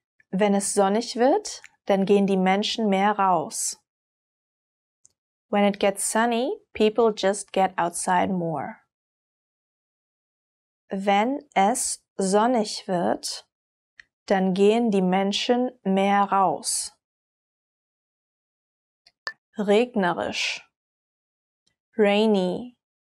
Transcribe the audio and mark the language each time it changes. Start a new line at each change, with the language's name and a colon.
German: Wenn es sonnig wird, dann gehen die Menschen mehr raus.
English: When it gets sunny, people just get outside more.
German: Wenn es sonnig wird, dann gehen die Menschen mehr raus. Regnerisch. Rainy.